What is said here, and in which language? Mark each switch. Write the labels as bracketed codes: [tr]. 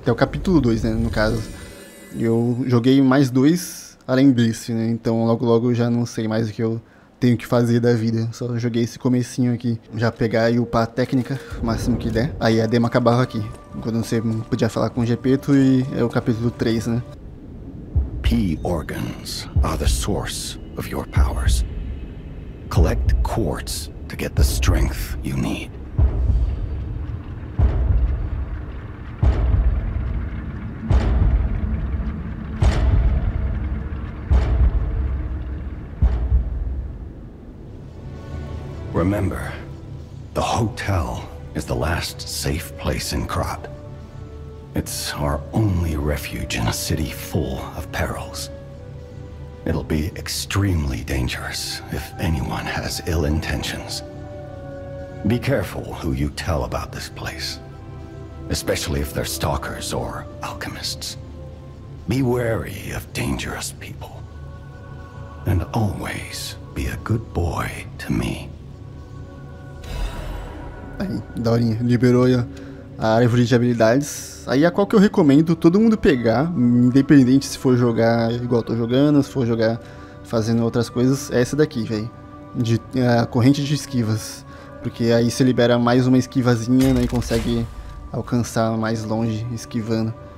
[pt] Até o capítulo 2, né, no caso. Eu joguei mais 2 além desse, né? Então logo logo eu já não sei mais o que eu... tenho que fazer da vida, só joguei esse comecinho aqui, já pegar e upar a técnica, o máximo que der, aí a demo acabava aqui, quando você podia falar com o Gepetto e é o capítulo 3, né? [en] P organs are the source of your powers. Collect quartz to get the strength you need. Remember, the hotel is the last safe place in Krat. It's our only refuge in a city full of perils. It'll be extremely dangerous if anyone has ill intentions. Be careful who you tell about this place, especially if they're stalkers or alchemists. Be wary of dangerous people. And always be a good boy to me. [pt] Aí, daorinha, liberou aí, ó, a árvore de habilidades. Aí a qual que eu recomendo todo mundo pegar, independente se for jogar igual eu tô jogando, se for jogar fazendo outras coisas, é essa daqui, velho. De corrente de esquivas. Porque aí você libera mais uma esquivazinha, né, e consegue alcançar mais longe esquivando.